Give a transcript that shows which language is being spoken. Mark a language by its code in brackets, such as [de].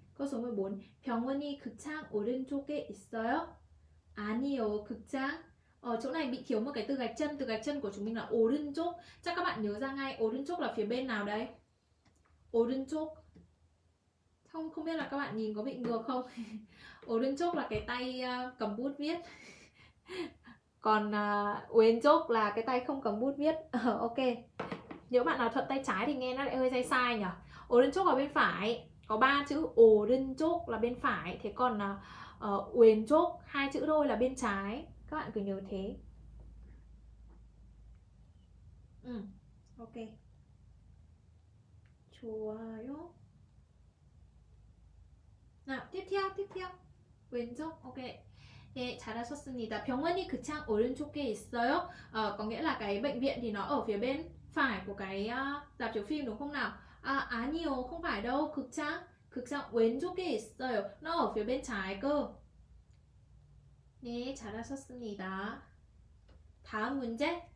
[vi] Câu số 14. [ko] 병원이 극장 오른쪽에 있어요? 아니요, 극장 [vi] Ở chỗ này bị thiếu một cái từ gạch chân của chúng mình là orunjuk. Chắc các bạn nhớ ra ngay orunjuk là phía bên nào đấy? Orunjuk. Không không biết là các bạn nhìn có bị ngược không? Orunjuk là cái tay cầm bút viết. Còn uenjuk là cái tay không cầm bút viết. Ok. Nếu bạn nào thuận tay trái thì nghe nó lại hơi sai sai nhỉ. Orunjuk ở bên phải, có 3 chữ orunjuk là bên phải, thế còn uenjuk 2 chữ thôi là bên trái. Các bạn cứ nhớ thế. Ừ. Ok. Chùa yo. Nào, tiếp theo, tiếp theo. 왼쪽. Ok. [ko] 네, 잘하셨습니다. 병원이 그 창 오른쪽에 있어요. [vi] Có nghĩa là cái bệnh viện thì nó ở phía bên phải của cái rạp chiếu phim đúng không nào? [ko] À, 아니요. [vi] Không phải đâu. [ko] 극장. 극장 왼쪽에 있어요. [vi] Nó ở phía bên trái cơ. [ko] 네, 잘하셨습니다. 다음 문제.